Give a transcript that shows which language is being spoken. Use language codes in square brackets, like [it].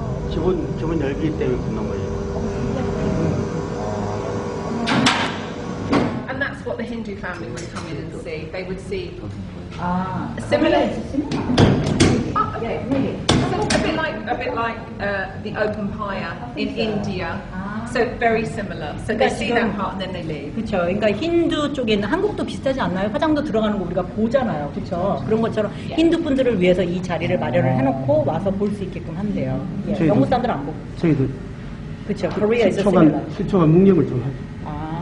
[ko] 기본 열기 때문에 붙는 거예요. [en] And that's what the Hindu family would come in and see. They would see similar. A bit like the open pyre in India. So very similar. So they see that part and then they leave. [ko] 그렇죠. 그러니까 힌두 쪽에 있는 한국도 비슷하지 않나요? 화장도 들어가는 거 우리가 보잖아요. 그렇죠. 그런 것처럼 힌두 분들을 위해서 이 자리를 마련을 해놓고 와서 볼 수 있게끔 한대요. 예. 영국 사람들 안 보고. 저희도. 그렇죠. 코리아에서 실초간 실초간 묵념을 좀 하죠.